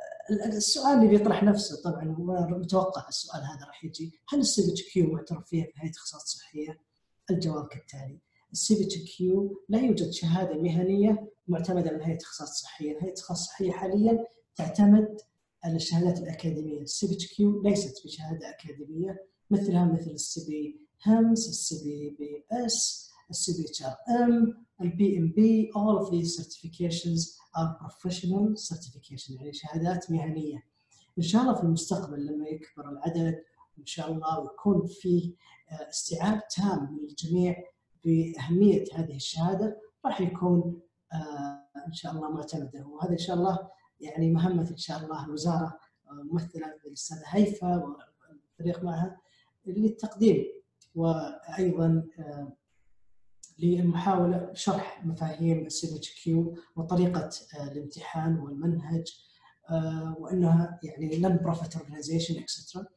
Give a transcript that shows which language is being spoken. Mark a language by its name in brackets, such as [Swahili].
[Arabic] السؤال اللي بيطرح نفسه طبعاً، هو متوقع السؤال هذا راح يجي، هل CPQ معترف فيها في هيئة التخصصات الصحية؟ الجواب كالتالي: CPQ لا يوجد شهادة مهنية معتمدة من هيئة التخصصات الصحية. هيئة التخصصات الصحية حالياً تعتمد على الشهادات الأكاديمية، CPQ ليست بشهادة أكاديمية مثلها مثل CP-HEMS، CP-BS، CP-HRM، BMB. [English] All of these certifications are professional certification، [Arabic] يعني شهادات مهنية. إن شاء الله في المستقبل لما يكبر العدد إن شاء الله ويكون فيه استيعاب تام من الجميع بأهمية هذه الشهادة، راح يكون إن شاء الله معتمدة. وهذا إن شاء الله يعني مهمة إن شاء الله الوزارة ممثلة بالأستاذة هيفا والفريق معها للتقديم، وأيضا للمحاولة شرح مفاهيم CPQ وطريقة الامتحان والمنهج، وأنها يعني [English] non-profit organization etc.